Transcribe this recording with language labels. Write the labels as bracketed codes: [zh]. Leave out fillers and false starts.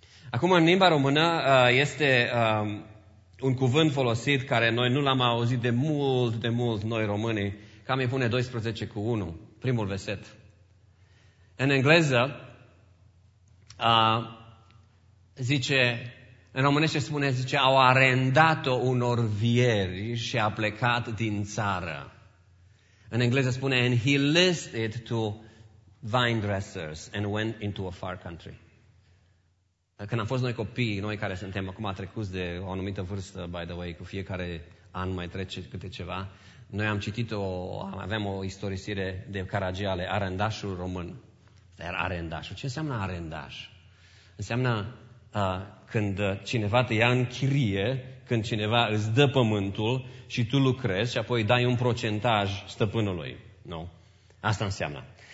[ro] Acum, în limba română este un cuvânt folosit care noi nu l-am auzit de mult, de mult, noi românii. Cam îi pune 12 cu 1, primul verset. În engleză zice, în românește spune, zice, au arendat-o unor vieri și a plecat din țară. În engleză spune, [en] and he listed to vine dressers and went into a far country. [ro] Când am fost noi copii, noi care suntem acum trecuți de o anumită vârstă, [en] by the way, [ro] cu fiecare an mai trece câte ceva, noi am citit, aveam o istorisire de Caragiale, arendașul român. Dar arendașul, ce înseamnă arendaș? Înseamnă când cineva te ia în chirie, când cineva îți dă pământul și tu lucrezi și apoi dai un procentaj stăpânului. Nu? Asta înseamnă.